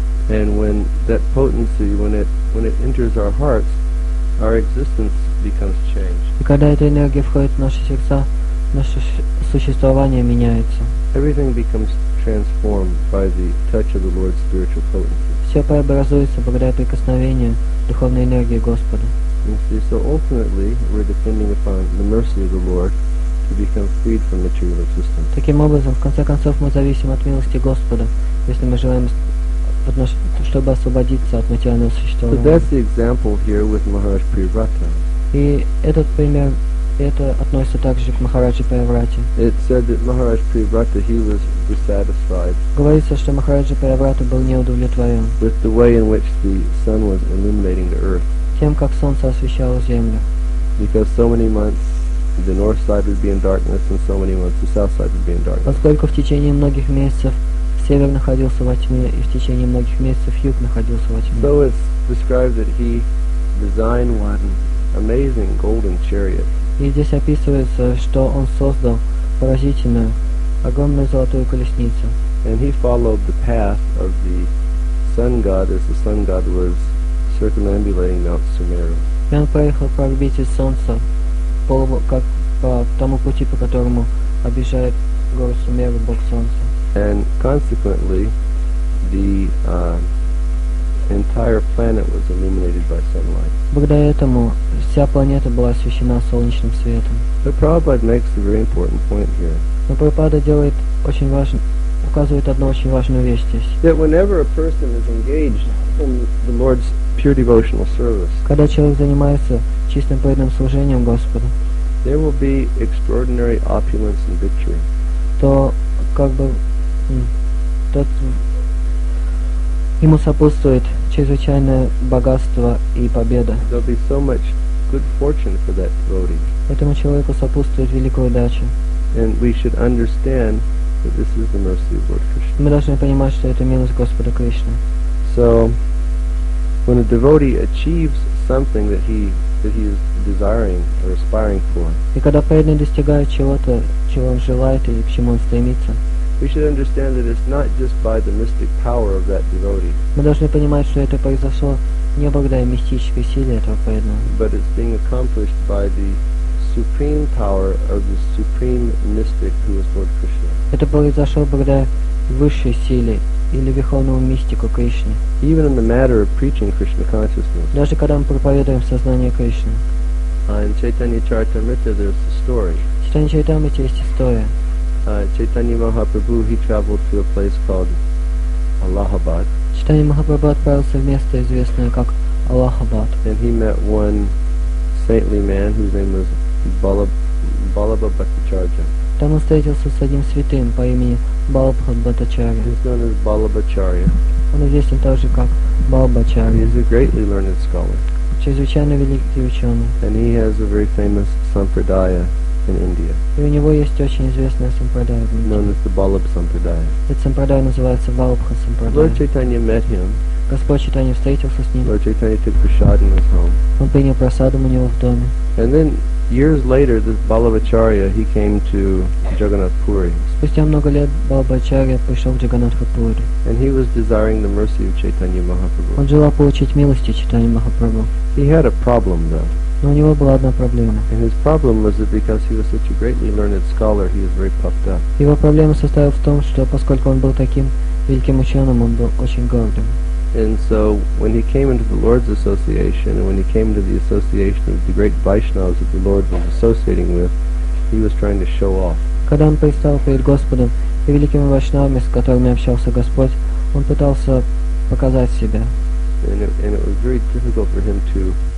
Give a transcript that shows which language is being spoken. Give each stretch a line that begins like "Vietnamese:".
English: And when that potency, when it enters our hearts, our existence becomes changed.
Russian: И когда эта энергия входит в наши сердца, наше существование меняется.
English: Everything becomes transformed by the touch of the Lord's spiritual potency.
Russian: Все преобразуется благодаря прикосновению духовной энергии Господа.
English: So ultimately, we're depending upon the mercy of the Lord to become freed from material existence.
Russian: Таким образом, в конце концов, мы зависим от милости Господа, если мы желаем, чтобы освободиться от материального существования.
English: So that's the example here with Maharaj Priyavrata.
Russian: И этот пример, это относится также к Махараджи Прайаврате.
English: It said that Maharaj Priyavrata, he was dissatisfied.
Russian: Говорится, что Махараджи Прайаврата был неудовлетворен.
English: With the way in which the sun was illuminating the earth.
Russian: Тем, как солнце освещало землю.
English: Because so many months the north side would be in darkness, and so many months the south side would be in darkness.
Russian: Поскольку в течение многих месяцев север находился во тьме, и в течение многих месяцев юг находился во тьме.
English: So it's described that he designed one amazing golden chariot.
Russian: И здесь описывается, что он создал поразительную, огромную золотую колесницу.
English: And he followed the path of the sun god as the sun god was circumambulating Mount Sumeru.
Russian: И он проехал по орбите солнца, как по тому пути, по которому объезжает гору Сумеру бог солнца.
English: And consequently, the entire planet was illuminated by sunlight.
Russian: Благодаря этому вся планета была освещена солнечным светом.
English: The Prabhupada makes a very important point here.
Russian: Но Прабхупада делает очень важно, указывает одну очень важную вещь здесь.
English: That whenever a person is engaged in the Lord's pure devotional service,
Russian: когда человек занимается чистым преданным служением Господу,
English: there will be extraordinary opulence and victory.
Russian: То как бы тот ему сопутствует чрезвычайное богатство и победа.
English: There'll be so much good fortune for that devotee.
Russian: Этому человеку сопутствует великая удача.
English: And we should understand that this is the mercy of Lord Krishna.
Russian: Мы должны понимать, что это милость Господа Кришны.
English: So, when a devotee achieves something that he is desiring or aspiring for,
Russian: и когда преданный достигает чего-то, чего он желает или к чему он стремится,
English: we should understand that it's not just by the mystic power of that devotee.
Russian: Мы должны понимать, что это произошло не благодаря мистической силе этого преданного.
English: But it's being accomplished by the supreme power of the supreme mystic who is Lord Krishna.
Russian: Это произошло благодаря высшей силе или верховному мистику Кришне.
English: Even in the matter of preaching Krishna consciousness.
Russian: Даже когда мы проповедуем сознание Кришны.
English: In Chaitanya Charitamrita there's a story.
Russian: В Чайтанья Чаритамрите есть история.
English: Chaitanya Mahaprabhu, he traveled to a place called Allahabad.
Russian: Chaitanya Mahaprabhu отправился в место, известное как Allahabad.
English: And he met one saintly man whose name was Balabha Bhattacharya.
Russian: Там он встретился с одним святым по имени Балабха Бхаттачарья.
English: He's known as Balabhacharya.
Russian: Он известен также как Балабхачарья.
English: He's a greatly learned scholar.
Russian: Чрезвычайно великий ученый.
English: And he has a very famous sampradaya. in India.
Russian: И у него есть очень известная сампрадая в Индии.
English: Known as the Balabh Sampradaya.
Russian: Эта сампрадая называется Валабха Сампрадая.
English: Lord Chaitanya met him.
Russian: Господь Чайтанья встретился с ним.
English: Lord Chaitanya took prasad in his home.
Russian: Он принял прасаду у него в доме.
English: And then years later, this Balabhacharya, he came to Jagannath Puri.
Russian: Спустя много лет Балабхачарья пришел в Джаганатхапури.
English: And he was desiring the mercy of Chaitanya Mahaprabhu.
Russian: Он желал получить милости Чайтанья Махапрабху.
English: He had a problem though.
Russian: Но у него была одна проблема.
English: And his problem was that because he was such a greatly learned scholar, he was very puffed up.
Russian: Его проблема состояла в том, что поскольку он был таким великим ученым, он был очень гордым.
English: And so when he came into the Lord's association, and when he came into the association of the great Vaishnavas that the Lord was associating with, he was trying to show off.
Russian: Когда он предстал перед Господом и великими Вайшнавами, с которыми общался Господь, он пытался показать себя.
English: And it was very difficult for him to.